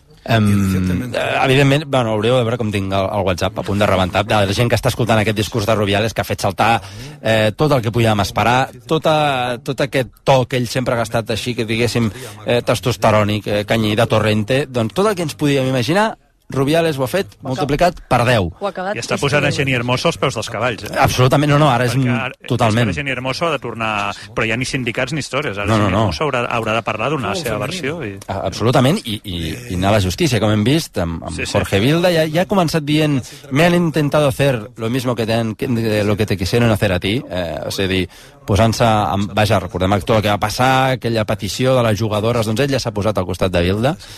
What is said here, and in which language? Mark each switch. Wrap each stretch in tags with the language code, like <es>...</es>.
<ca>Evidentment, bueno, hauríeu de veure com tinc el WhatsApp a punt de rebentar de la gent que està escoltant aquest discurs de Rubiales, que ha fet saltar tot el que podíem esperar, tot aquest to que ell sempre ha gastat així, que diguéssim testosterònic, canyí de Torrente, doncs tot el que ens podíem imaginar Rubiales ho ha fet, multiplicat per 10. I està posant a Geni Hermoso als peus dels cavalls. Absolutament, no, ara és totalment. Geni Hermoso ha de tornar... Però hi ha ni sindicats ni històries. Ara Geni Hermoso haurà de parlar d'una seva versió. Absolutament, i anar a la justícia, com hem vist, amb Jorge Vilda. Ja ha començat dient,</ca> <es>me han intentado hacer lo mismo que lo que te quisieron hacer a ti.</es> <ca>És a dir, posant-se... Vaja, recordem tot el que va passar, aquella petició de les jugadores, doncs ell ja s'ha posat al costat de Vilda.</ca>